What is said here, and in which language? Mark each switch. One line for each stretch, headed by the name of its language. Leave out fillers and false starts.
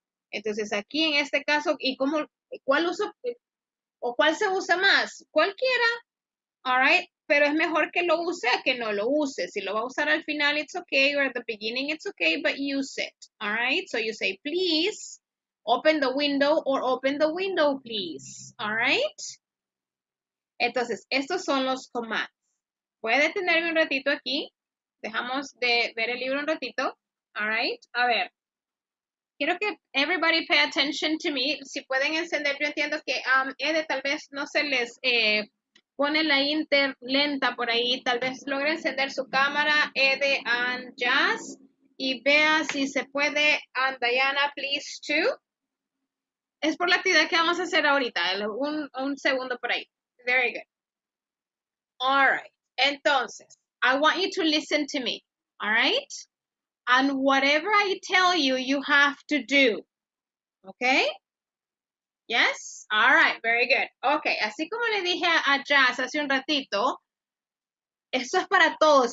Spanish: Entonces, aquí en este caso, ¿y cómo, cuál uso, o cuál se usa más? Cualquiera,
English: all right?
Spanish: Pero es mejor que lo use a que no lo use. Si lo va a usar al final,
English: it's okay, or at the beginning, it's okay, but use it, all right? So you say, please, open the window, or open the window, please, all right?
Spanish: Entonces, estos son los
English: commands.
Spanish: Voy a detenerme un ratito aquí. dejamos de ver el libro un ratito.
English: All right.
Spanish: A ver. Quiero que
English: everybody pay attention to me.
Spanish: Si pueden encender, yo entiendo que Ede tal vez no se les pone la inter lenta por ahí. Tal vez logre encender su cámara,
English: Ede and Jazz.
Spanish: Y vea si se puede,
English: and Diana, please too.
Spanish: Es por la actividad que vamos a hacer ahorita, un segundo por ahí.
English: Very good. All right.
Spanish: Entonces,
English: I want you to listen to me. All right? And whatever I tell you, you have to do. Okay? Yes? All right. Very good. Okay.
Spanish: Así como le dije a Jazz hace un ratito, esto es para todos.